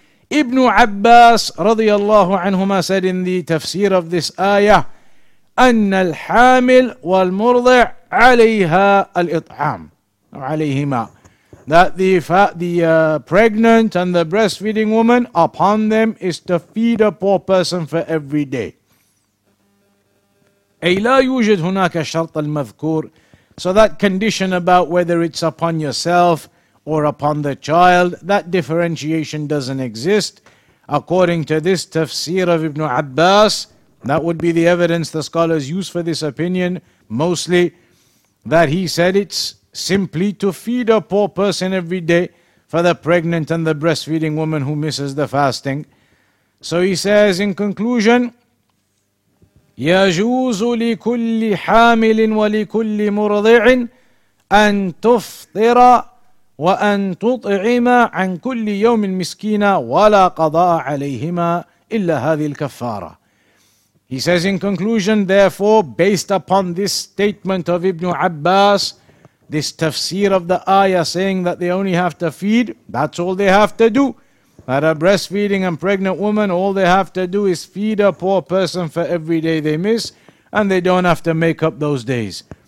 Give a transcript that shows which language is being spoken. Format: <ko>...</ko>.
<en>Ibn Abbas رضي الله عنهما said in the tafsir of this ayah,</en> <ar>أن الحامل والمرضع عليها الإطعام, عليهما,</ar> <en>that the pregnant and the breastfeeding woman, upon them is to feed a poor person for every day.</en> <ar>أي لا يوجد هناك الشرط المذكور.</ar> <en>So that condition about whether it's upon yourself or upon the child, that differentiation doesn't exist. According to this tafsir of Ibn Abbas, that would be the evidence the scholars use for this opinion, mostly that he said it's simply to feed a poor person every day for the pregnant and the breastfeeding woman who misses the fasting. So he says in conclusion,</en> <ar>يجوز لكل حامل ولكل مرضع أن تفطر وأن تطعم عن كل يوم مسكينا ولا قضاء عليهما إلا هذه الكفارة.</ar> <en>He says in conclusion, therefore, based upon this statement of Ibn Abbas, this tafsir of the ayah saying that they only have to feed, that's all they have to do. That a breastfeeding and pregnant woman, all they have to do is feed a poor person for every day they miss, and they don't have to make up those days.</en>